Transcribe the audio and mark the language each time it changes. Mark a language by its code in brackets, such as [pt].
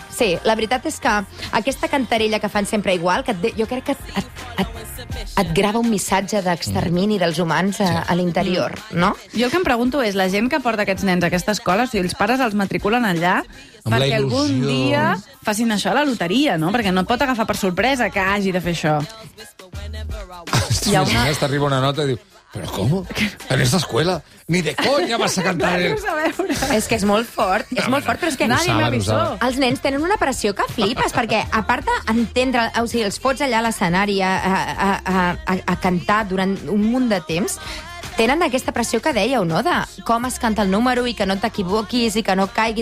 [ca] Sí, la veritat és que aquesta cantarella que fan sempre igual, que jo crec que et grava un missatge d'extermini dels humans a l'interior, no? Jo el que em pregunto és, la gent que porta aquests nens a aquesta escola, o sigui, els pares els matriculen allà perquè algun dia facin això a la loteria, no? Perquè no et pot agafar per sorpresa que hagi de fer això. Hòstia, una... si arriba una nota i diu... [es] ¿Pero cómo? En esta escuela ni de coña vas a cantar. El... [ca] És que és molt fort, és molt fort, però és que [es] nadie me avisó. [ca] Els nens tenen una pressió que flipes, perquè a part d'entendre, o sigui, els fots allà a l'escenari a cantar durant un munt de temps, tenen aquesta pressió que dèieu, no?, de com es canta el número i que no t'equivoquis i que no caigui.